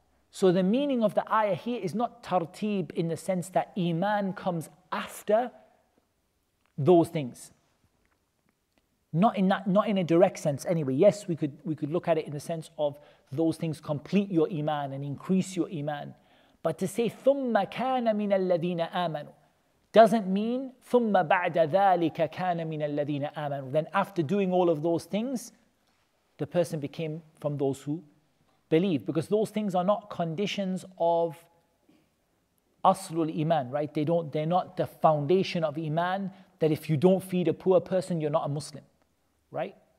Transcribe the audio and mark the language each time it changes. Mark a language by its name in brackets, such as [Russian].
[English] So the meaning of the ayah here is not tartib in the sense that iman comes after those things. Not in a direct sense anyway. Yes, we could look at it in the sense of those things complete your iman and increase your iman. But to say [Arabic] ثُمَّ كَانَ مِنَ الَّذِينَ آمَنُوا [English] doesn't mean [Arabic] ثُمَّ بَعْدَ ذَلِكَ كَانَ مِنَ الَّذِينَ آمَنُوا. [English] Then after doing all of those things, the person became from those who believe. Because those things are not conditions of أَصْلُ iman, right? They're not the foundation of iman. That if you don't feed a poor person, you're not a Muslim, right?